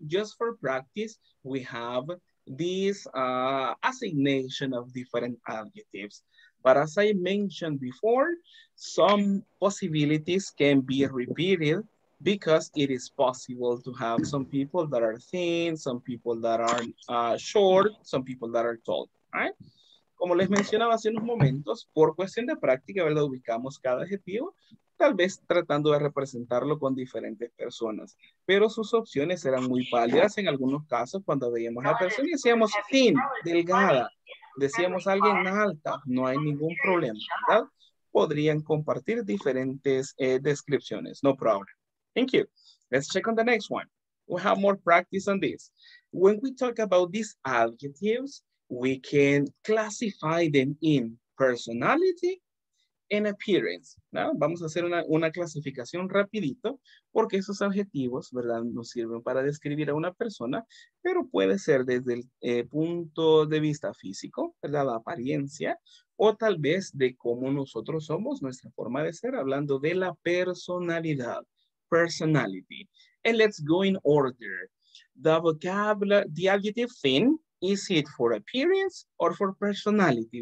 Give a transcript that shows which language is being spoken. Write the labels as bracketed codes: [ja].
[en] Just for practice, we have this assignation of different adjectives. But as I mentioned before, some possibilities can be repeated because it is possible to have some people that are thin, some people that are short, some people that are tall, right? [es] Como les mencionaba hace unos momentos, por cuestión de práctica, ¿verdad? Ubicamos cada adjetivo, tal vez tratando de representarlo con diferentes personas. Pero sus opciones eran muy pálidas en algunos casos cuando veíamos a la persona y decíamos thin, delgada. Decíamos alguien alta, no hay ningún problema, ¿verdad? Podrían compartir diferentes descripciones, [en] no problem. Thank you. Let's check on the next one. We have more practice on this. When we talk about these adjectives, we can classify them in personality and appearance. [es] ¿No? Vamos a hacer una clasificación rapidito porque esos adjetivos, ¿verdad?, nos sirven para describir a una persona, pero puede ser desde el punto de vista físico, ¿verdad?, la apariencia, o tal vez de cómo nosotros somos, nuestra forma de ser, hablando de la personalidad, personality. [en] And let's go in order. The vocabulary, the adjective thin, is it for appearance or for personality?